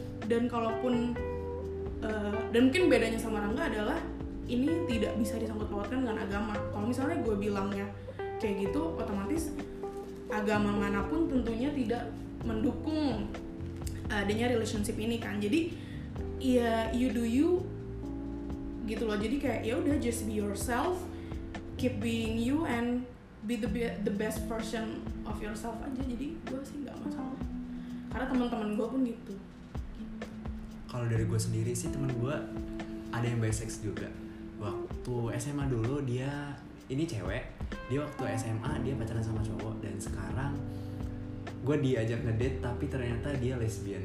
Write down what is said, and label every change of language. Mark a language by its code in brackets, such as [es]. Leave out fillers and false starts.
[id] Dan kalaupun dan mungkin bedanya sama Rangga adalah ini tidak bisa disangkut-pautkan dengan agama. Kalau misalnya gue bilangnya kayak gitu, otomatis agama manapun tentunya tidak mendukung adanya relationship ini kan. Jadi ya [en] you do you [id] gitu loh. Jadi kayak ya udah, [en] just be yourself, keep being you, and be the best version of yourself [id] aja. Jadi gue sih nggak masalah, karena teman-teman gue pun gitu. Kalau dari gue sendiri sih, teman gue ada yang bisex juga. Waktu SMA dulu dia, ini cewek, dia waktu SMA dia pacaran sama cowok, dan sekarang gue diajak ngedate tapi ternyata dia lesbian.